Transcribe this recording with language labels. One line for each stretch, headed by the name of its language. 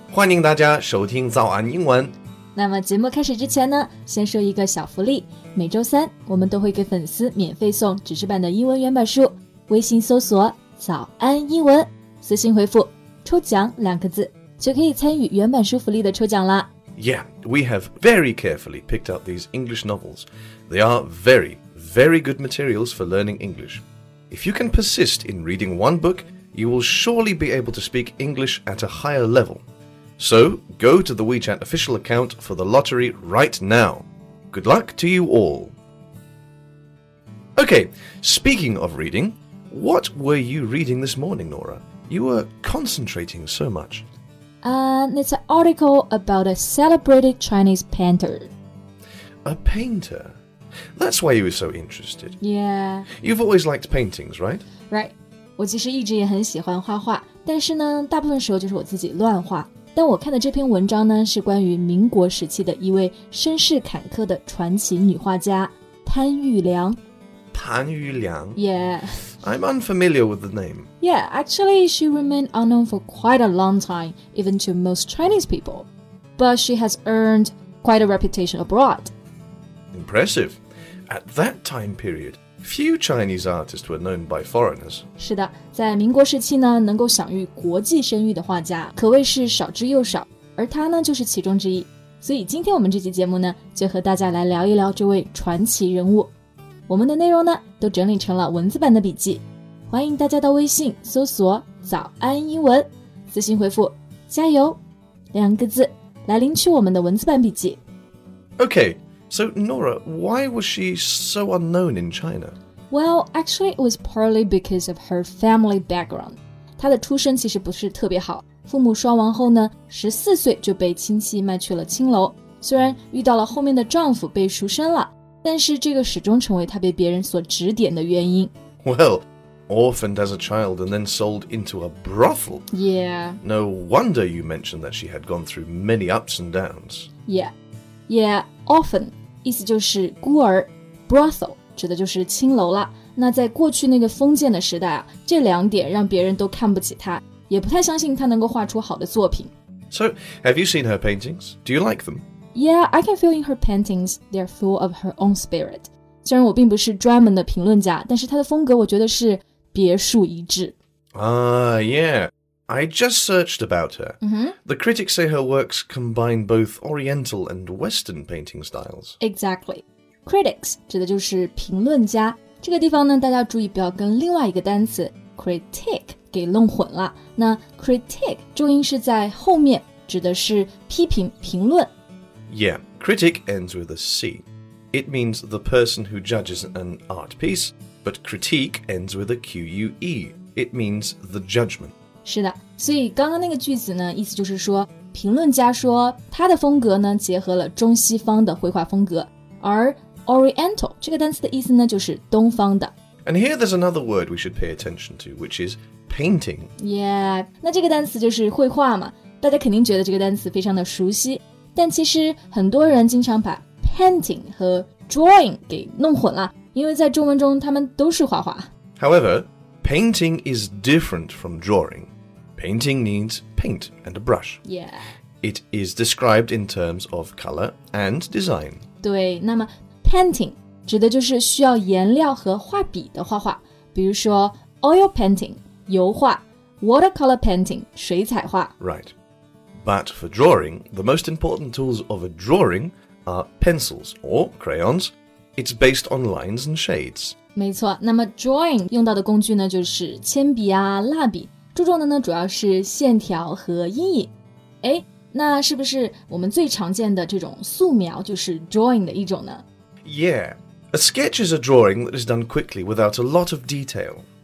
Chinese: 欢迎大家收听早安英文。那么节目开始之前呢，先说一个小福利。每周三我们都会给粉丝免费送纸质版的英文原版书，微信搜索早安英文，私信回复抽奖两个字，就可以参与原版书福利的抽奖了。
English: Yeah, we have very carefully picked out these English novels. They are very, very good materials for learning English. If you can persist in reading one book, you will surely be able to speak English at a higher level. So, go to the WeChat official account for the lottery right now. Good luck to you all. Okay, speaking of reading, what were you reading this morning, Nora? You were concentrating so much. And it's an article about a celebrated Chinese painter. A painter? That's why you were so interested. Yeah. You've always liked paintings, right? Right.
Chinese: 我其实一直也很喜欢画画，但是呢，大部分时候就是我自己乱画。但我看的这篇文章呢，是关于民国时期的一位身世坎坷的传奇女画家，潘玉良。潘玉良?
English: Yeah. I'm unfamiliar with the name. Yeah, actually, she remained unknown for quite a long time, even to most Chinese people. But she has earned quite a reputation abroad. Impressive. At that time period, few Chinese artists were known by foreigners.
Chinese: 是的，在民国时期呢，能够享誉国际声誉的画家可谓是少之又少，而她呢，就是其中之一。所以今天我们这期节目呢，就和大家来聊一聊这位传奇人物。我们的内容呢都整理成了文字版的笔记，欢迎大家到微信搜索早安英文，私信回复加油两个字来领取我们的文字版笔记。
English: Okay, so Nora, why was she so unknown in China? Well, actually it was partly because of her family background.
Chinese: 她的出身其实不是特别好，父母双亡后呢，14岁就被亲戚卖去了青楼，虽然遇到了后面的丈夫被赎身了，但是这个始终成为他被别人所指点的原因。
English: Well, orphaned as a child and then sold into a brothel. Yeah. No wonder you mentioned that she had gone through many ups and downs. Yeah.
Chinese: Yeah, orphan, 意思就是孤儿。Brothel, 指的就是青楼了。那在过去那个封建的时代啊，这两点让别人都看不起她，也不太相信她能够画出好的作品。
English: So, have you seen her paintings? Do you like them? Yeah, I can feel in her paintings, they're full of her own spirit.
Chinese: 虽然我并不是专门的评论家，但是她的风格我觉得是别树一帜。
English: Yeah, I just searched about her. Mm-hmm. The critics say her works combine both Oriental and Western painting styles. Exactly.
Chinese: Critics 指的就是评论家。这个地方呢，大家注意不要跟另外一个单词 critique 给弄混了。那 critique 重音是在后面，指的是批评、评论。
English: Yeah, critic ends with a C. It means the person who judges an art piece, but critique ends with a Q-U-E. It means the judgment.
Chinese: 是的，所以刚刚那个句子呢，意思就是说，评论家说他的风格呢结合了中西方的绘画风格，而 Oriental 这个单词的意思呢就是东方的。
English: And here there's another word we should pay attention to, which is painting.
Chinese: Yeah, 那这个单词就是绘画嘛，大家肯定觉得这个单词非常的熟悉。但其实很多人经常把 painting 和 drawing 给弄混了，因为在中文中他们都是画画。
English: However, painting is different from drawing. Painting needs paint and a brush. Yeah. It is described in terms of color and design.
Chinese: 对，那么 painting 指的就是需要颜料和画笔的画画，比如说 oil painting 油画， watercolor painting 水彩画。
English: Right. But for drawing, the most important tools of a drawing are pencils or crayons. It's based on lines and shades.
Chinese: 没错，那么 drawing 用到的工具呢，就是铅笔啊、蜡笔，注重的呢主要是线条和阴影。哎，那是不是我们最常见的这种素描就是 drawing 的一种呢？
English: Yeah, a sketch is a drawing that is done quickly without a lot of detail.